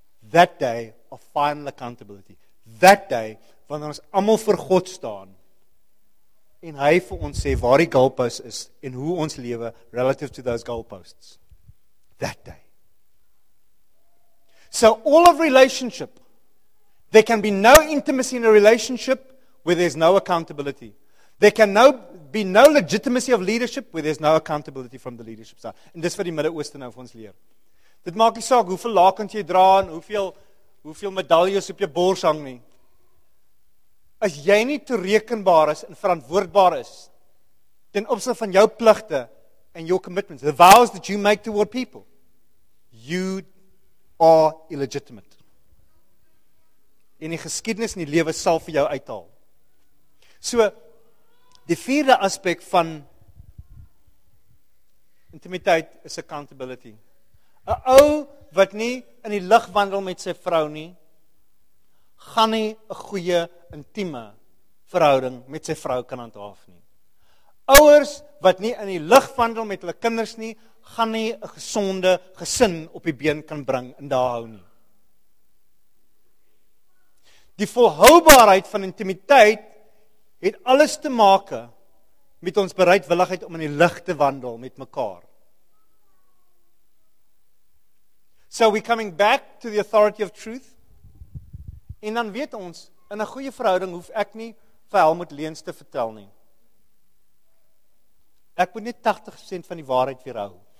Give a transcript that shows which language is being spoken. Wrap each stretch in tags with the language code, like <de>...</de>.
<en>That day of final accountability. That day,</en> <af>wanneer ons allemaal voor God staan, en hy vir ons sê, waar die goalpost is, en hoe ons lewe,</af> <en>relative to those goalposts. That day. So all of relationship, there can be no intimacy in a relationship where there's no accountability. There can be no legitimacy of leadership where there's no accountability from the leadership side.</en> <af>En dis wat die Midde-Ooste nou vir ons leer. Dit maak nie saak hoeveel lakens jy dra en hoeveel medaljes op jou bors hang nie. As jy nie toerekenbaar is en verantwoordbaar is ten opsigte van jou pligte en jou commitments,</af> <en>the vows that you make toward people, you are illegitimate.</en> <af>En die geskiedenis in die lewe sal vir jou uithaal. So, die vierde aspek van intimiteit is accountability. 'N Ou wat nie in die lig wandel met sy vrou nie, gaan nie 'n goeie intieme verhouding met sy vrou kan handhaaf nie. Ouers wat nie in die lig wandel met hulle kinders nie, gaan nie 'n gesonde gesin op die been kan bring en daar hou nie. Die volhoubaarheid van intimiteit het alles te maak met ons bereidwilligheid om in die lig te wandel met mekaar.</af> <en>So we coming back to the authority of truth.</en> <af>En dan weet ons, in 'n goeie verhouding hoef ek nie vir Helmut leens te vertel nie. Ek moet net 80% van die waarheid weerhou.</af>